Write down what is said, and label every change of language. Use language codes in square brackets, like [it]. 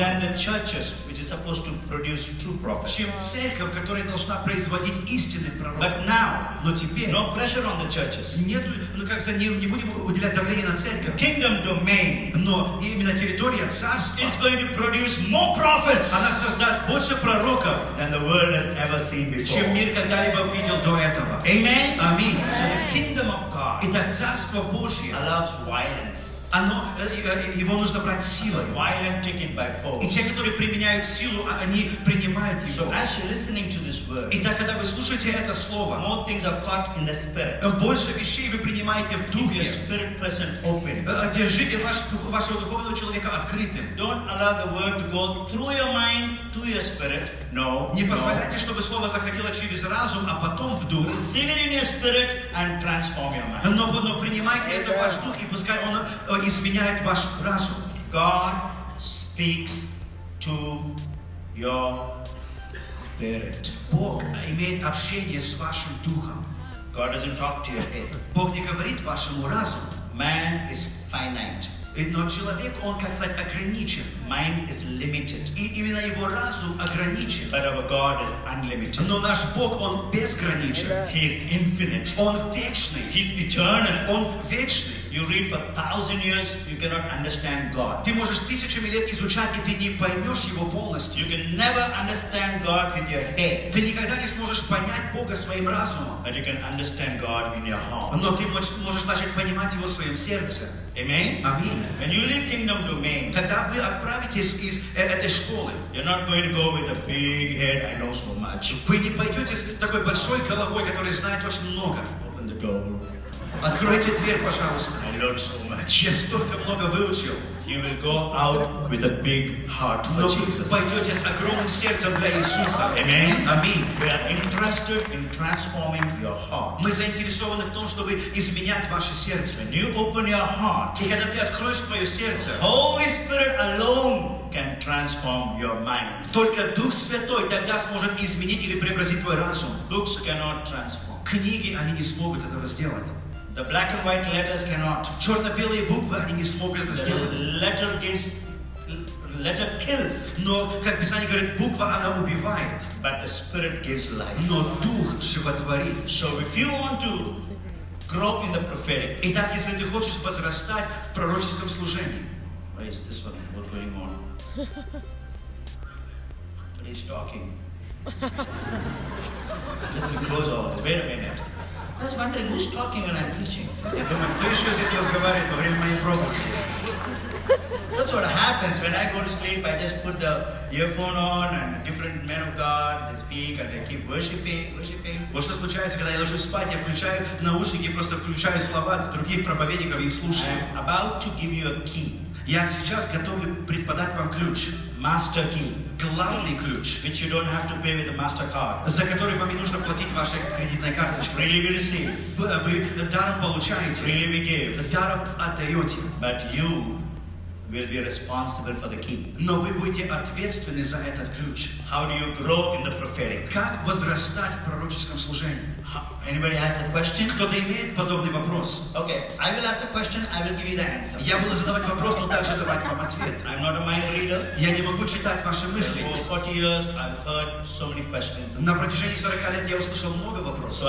[en] Than the churches, which is supposed to produce true prophets. [ru] Чем церковь, которая должна производить истинных пророков. [en] But now, [ru] но теперь, [en] no pressure on the churches. [ru] Нет, ну как за ним, не будем уделять давление на церковь. [en] Kingdom domain. [ru] Но именно территория царства [en] is going to produce more prophets. [ru] Она создаст больше пророков. [en] Than the world has ever seen before. [ru] Чем мир когда-либо видел до этого. [en] Amen. [ru] Аминь. [en] So the kingdom of God. [ru] Итак, царство Божие. [en] Allows violence. [ru] Оно, его нужно брать силой. [en] Violent taken by force. [ru] И те, которые применяют силу, они принимают его. [en] So as you're listening to this word. [ru] Итак, когда вы слушаете это слово. [en] More things are caught in the spirit. [ru] Больше вещей вы принимаете в духе. [en] Keep your spirit present open. [ru] Держите вашего духовного человека открытым. [en] Don't allow the word to go through your mind to your spirit. [ru] No, не позволяйте, no. Чтобы слово заходило через разум, а потом в дух. [en] Receive it in your spirit and transform your mind. [ru] Но принимайте это в ваш дух, и пускай он изменяет ваш разум. [en] God speaks to your spirit. [ru] Бог имеет общение с вашим духом. [en] God doesn't talk to your head. [ru] Бог не говорит вашему разуму. [en] Man is finite. [ru] Но человек, он, как сказать, ограничен. [en] Mind is limited. [ru] И именно его разум ограничен. [en] But our God is unlimited. [ru] Но наш Бог, он безграничен. [en] Amen. He is infinite. [ru] Он вечный. [en] He's eternal. [ru] Он вечный. [en] You read for 1,000 years, you cannot understand God. [ru] Ты можешь тысячами лет изучать, и ты не поймешь его полностью. [en] You can never understand God with your head. [ru] Ты никогда не сможешь понять Бога своим разумом. [en] But you can understand God in your heart. [ru] Но ты можешь начать понимать его в своем сердце. [en] Amen. Amen. When you leave kingdom domain, [ru] когда вы отправитесь из этой школы, [en] you're not going to go with a big head. I know so much. [ru] Вы не пойдете с такой большой головой, которая знает очень много. [en] Open the door. [ru] Откройте дверь, пожалуйста. [en] I learned so much. [ru] Я столько много выучил. [en] You will go out with a big heart for Jesus. [ru] Но пойдете с огромным сердцем для Иисуса. [en] Amen. Amen. We are interested in transforming your heart. [ru] Мы заинтересованы в том, чтобы изменять ваше сердце. [en] When you open your heart, [ru] и когда ты откроешь твое сердце, [en] Holy Spirit alone can transform your mind. [ru] Только Дух Святой тогда сможет изменить или преобразить твой разум. [en] Books cannot transform. [ru] Книги, они не смогут этого сделать. [en] The black and white letters cannot. [ru] Черно-белые буквы они не смогут это сделать. [en] Letter kills. [ru] Но как Писание говорит, буква она убивает. [en] But the Spirit gives life. [ru] Но Дух животворит. [en] So if you want to grow in the prophetic. [ru] Итак, если ты хочешь возрастать в пророческом служении. [en] Where is this one? What's going on? But he's talking. Let me close all. Wait a minute. I was wondering who's talking when I'm preaching. [ru] Кто еще здесь разговаривает во время моей проповеди? [en] That's what happens when I go to sleep. I just put the earphone on and different men of God they speak and they keep worshiping. [ru] Вот что случается, когда я ложусь спать, я включаю наушники, просто включаю слова других проповедников и слушаю. [en] I'm about to give you a key. [ru] Я сейчас готовлю преподать вам ключ. [en] Master key. [ru] Главный ключ. [en] Which you don't have to pay with a MasterCard. [ru] За который вам не нужно платить вашей кредитной карточкой. [en] Freely we receive. [ru] Вы даром получаете. [en] Freely we give. [ru] Даром отдаете. [en] But you will be responsible for the key. [ru] Но вы будете ответственны за этот ключ. [en] How do you grow in the prophetic? [ru] Как возрастать в пророческом служении? [en] Anybody has that question? [ru] Кто-то имеет подобный вопрос? [en] Okay, I will ask the question, I will give you the answer. [ru] Я буду задавать вопрос, но также давать вам ответ. [en] I'm not a mind reader. [ru] Я не могу читать ваши мысли. [en] For 40 years, I've heard so many questions. [ru] На протяжении 40 лет я услышал много вопросов.